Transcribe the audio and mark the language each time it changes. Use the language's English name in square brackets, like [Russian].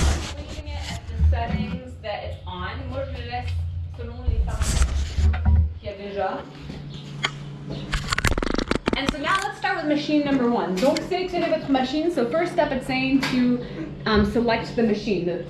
[English] Switching it at the settings that it's on. [French] Moi, je le laisse selon les paramètres qu'il y a déjà. [English] And so now let's start with machine number one. [French] Donc sélectionnez votre machine. [English] So first step it's saying to select the machine.